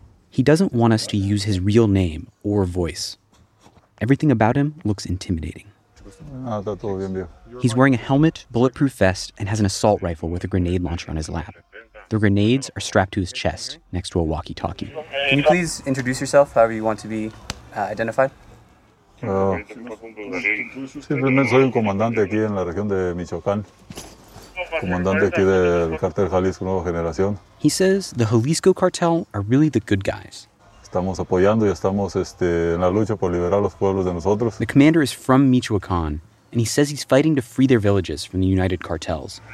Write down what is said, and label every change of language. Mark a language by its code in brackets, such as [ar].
[en] He doesn't want us to use his real name or voice. Everything about him looks intimidating. He's wearing a helmet, bulletproof vest, and has an assault rifle with a grenade launcher on his lap. The grenades are strapped to his chest next to a walkie-talkie. Can you please introduce yourself, however you want to be identified? [es] Simplemente soy un comandante aquí en la región de Michoacán. Comandante aquí del cartel Jalisco Nueva Generación. [en] He says the Jalisco cartel are really the good guys. [es] Estamos apoyando y estamos en la lucha por liberar los pueblos de nosotros. [en] The commander is from Michoacán, and he says he's fighting to free their villages from the United Cartels.